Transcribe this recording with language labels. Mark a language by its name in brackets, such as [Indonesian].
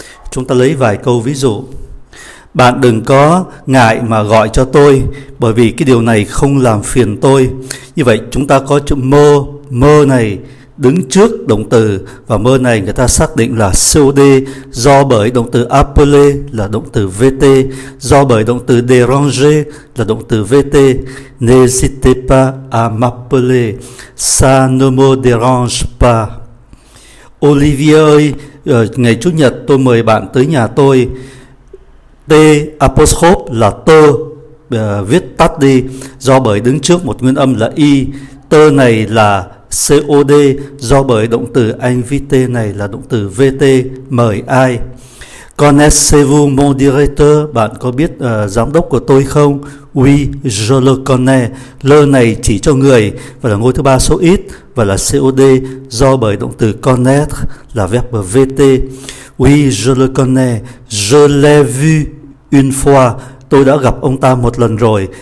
[Vietnamese] Chúng ta lấy vài câu ví dụ. Bạn đừng có ngại mà gọi cho tôi, bởi vì cái điều này không làm phiền tôi. Như vậy chúng ta có chữ mơ, mơ này đứng trước động từ và mơ này người ta xác định là COD, do bởi động từ appeler là động từ VT, do bởi động từ déranger là động từ VT. [French] N'hésitez pas à m'appeler, ça ne me dérange pas. [Vietnamese] Olivier ơi, ngày chủ nhật tôi mời bạn tới nhà tôi. T apostrophe là tơ, viết tắt đi, do bởi đứng trước một nguyên âm là y. Tơ này là COD, do bởi động từ inviter này là động từ VT, mời ai. [French] Connaissez-vous mon directeur? [Vietnamese] Bạn có biết giám đốc của tôi không? [French] Oui, je le connais. [Vietnamese] Le này chỉ cho người và là ngôi thứ ba số ít và là COD, do bởi động từ connaître là verb VT. [French] Oui, je le connais. Je l'ai vu une fois, [Vietnamese] tôi đã gặp ông ta một lần rồi.